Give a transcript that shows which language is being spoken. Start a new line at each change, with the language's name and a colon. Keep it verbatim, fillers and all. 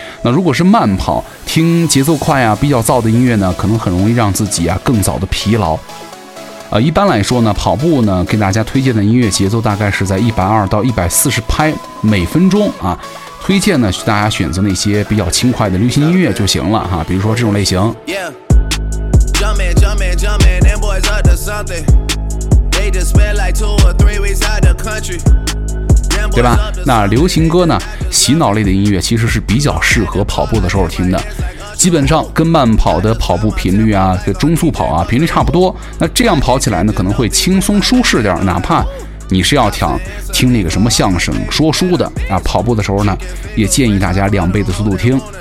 Chinese: 那如果是慢跑，听节奏快啊、比较躁的音乐呢，可能很容易让自己啊更早的疲劳。呃，一般来说呢，跑步呢给大家推荐的音乐节奏大概是在一百二到一百四十拍每分钟啊。推荐呢，大家选择那些比较轻快的流行音乐就行了哈、啊，比如说这种类型。
English: Yeah. Jump in, jump in, jump in, them boys up to something. They just spent like two or three weeks out the country.
Chinese: 对吧？那流行歌呢，洗脑类的音乐其实是比较适合跑步的时候听的，基本上跟慢跑的跑步频率啊、中速跑啊频率差不多。那这样跑起来呢，可能会轻松舒适点，哪怕你是要想听那个什么相声说书的啊，跑步的时候呢，也建议大家两倍的速度听。